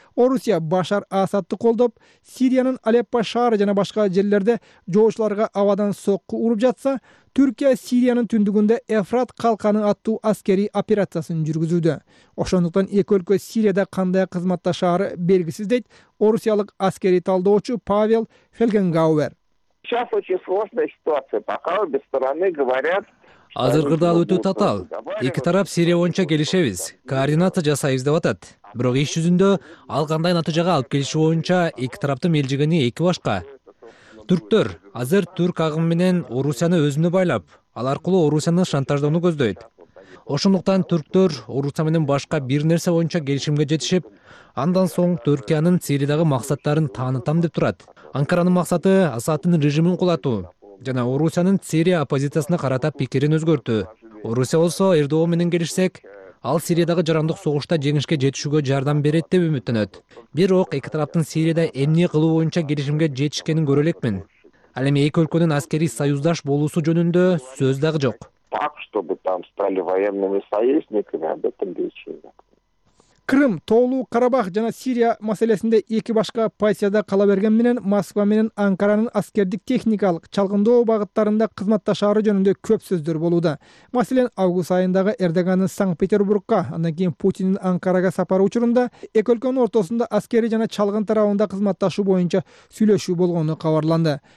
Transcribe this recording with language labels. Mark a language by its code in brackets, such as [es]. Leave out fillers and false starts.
[ky] Орусия Башар Асадды колдоп, Сириянын Алеппо шаары жана башка жерлерде жоочуларга абадан сокку уруп жатса, Түркия Сириянын түндүгүндө Эфрат калканы аттуу аскерий операциясын жүргүзүүдө. Ошондуктан эки өлкө Сирияда кандай кызматташары белгисиз, дейт орусиялык аскерий талдоочу Павел Фелгенгауэр. [ru] Сейчас очень сложная ситуация. Пока обе стороны говорят. [ky] Азыркы дал өтө татаал. Эки тарап Сирия боюнча келишебиз, координация жасайбыз деп атат. Бирок иш жүзүндө ал кандай натыйжага алып келиши боюнча эки тараптын мелжигени эки башка. Түрктөр азыр түрк агымы менен Орусияны өзүнө байлап, ал аркылуу Орусияны шантаждоону көздөйт. Ошондуктан түрктөр Орусия менен башка бир нерсе боюнча келишимге жетишип, андан соң Түркиянын Сириядагы максаттарын таанытам деп турат. Анкаранын максаты Асадтын режимин кулатуу жана Орусиянын Сирия оппозициясына карата пикирин өзгөртүү. Орусия болсо РДО менен келишсек, ал Сириядагы жарандык согушта жеңишке жетишүүгө жардам берет деп үмүттөнөт. Бирок эки тараптын Сирияда эмне кылуу боюнча келишимге жетишкенин көрө элекмин. Ал эми эки өлкөнүн аскерий союздаш болуусу жөнүндө сөз дагы жок. [ru] Так, чтобы там стали военными союзниками, об этом речи нет. [ky] Кырым, Тоолуу Карабах жана Сирия маселесинде эки башка позицияда кала берген менен Москва менен Анкаранын аскердик техникалык чалгындоо багыттарында кызматташары жөнүндө көп сөздөр болууда. Маселен, август айындагы Эрдогандын Санкт-Петербургка, андан кийин Путиндин Анкарага сапары учурунда эки өлкөнүн ортосунда аскери жана чалгын тарабында кызматташуу боюнча сүйлөшүү болгону кабарланды.